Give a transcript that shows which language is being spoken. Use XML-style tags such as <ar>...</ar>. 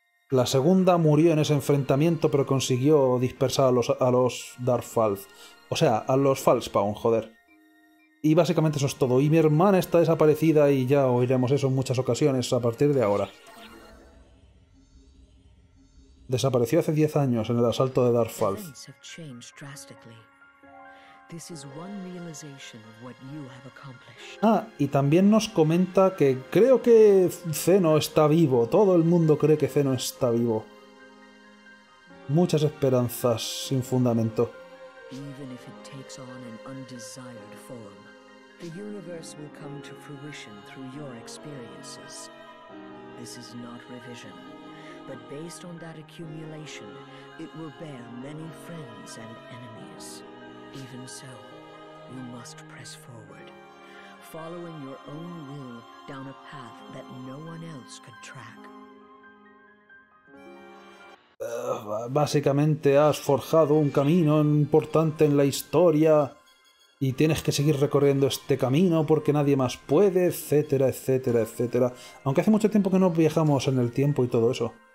<es>La segunda murió en ese enfrentamiento pero consiguió dispersar a los Darth Falz. O sea, a los Falzpawn, joder. Y básicamente eso es todo. Y mi hermana está desaparecida y ya oiremos eso en muchas ocasiones a partir de ahora. Desapareció hace 10 años en el asalto de Darfalth.</es> <en>Things have changed drastically. This is one realization of what you have accomplished.</en> <es>Ah, y también nos comenta que creo que Zeno está vivo. Todo el mundo cree que Zeno está vivo. Muchas esperanzas sin fundamento.</es> <en>Even if it takes on an undesired form, the universe will come to fruition through your experiences. This is not revision, but based on that accumulation, it will bear many friends and enemies. Even so, you must press forward, following your own will down a path that no one else could track.</en> <es>Básicamente has forjado un camino importante en la historia y tienes que seguir recorriendo este camino porque nadie más puede, etcétera, etcétera, etcétera. Aunque hace mucho tiempo que no viajamos en el tiempo y todo eso.</es>